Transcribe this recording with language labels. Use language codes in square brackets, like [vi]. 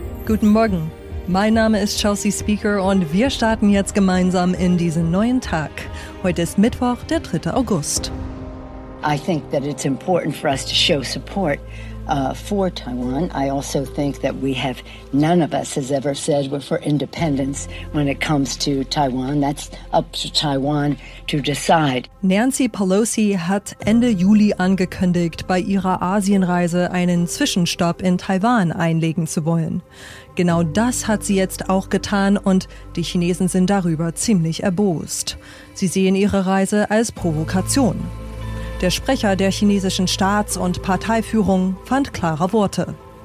[de] Guten Morgen, mein Name ist Chelsea Speaker und wir starten jetzt gemeinsam in diesen neuen Tag. Heute ist Mittwoch, der 3. August. [en] I think that it's important for us to show support for Taiwan. I also think that we have, none of us has ever said we're for independence when it comes to Taiwan. That's up to Taiwan to decide. [de] Nancy Pelosi hat Ende Juli angekündigt, bei ihrer Asienreise einen Zwischenstopp in Taiwan einlegen zu wollen. Genau das hat sie jetzt auch getan und die Chinesen sind darüber ziemlich erbost. Sie sehen ihre Reise als Provokation. Der Sprecher der chinesischen Staats- und Parteiführung fand klare Worte.